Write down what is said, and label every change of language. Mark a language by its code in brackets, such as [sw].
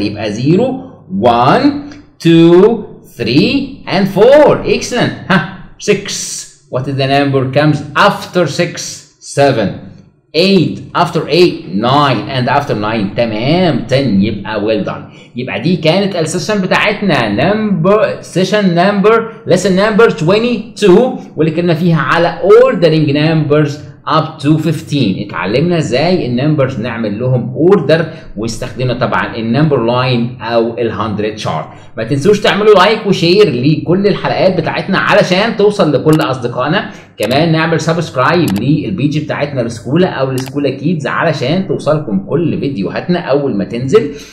[en] يبقى zero. One, two, three, and four. Excellent. Six. What is the number comes after six? Seven. Eight. After eight, nine. And after nine, تمام. Ten. يبقى well done. [ar] يبقى دي كانت السيشن بتاعتنا. [en] Number, session number, lesson number 22. [ar] واللي كنا فيها على [en] ordering numbers up to 15. [ar] اتعلمنا ازاي النمبرز نعمل لهم اوردر واستخدمنا طبعا النمبر لاين او الهندرد شارت. ما تنسوش تعملوا لايك وشير لكل الحلقات بتاعتنا علشان توصل لكل اصدقائنا. كمان نعمل سبسكرايب للبيج بتاعتنا السكولة او السكولة كيدز علشان توصلكم كل فيديوهاتنا اول ما تنزل.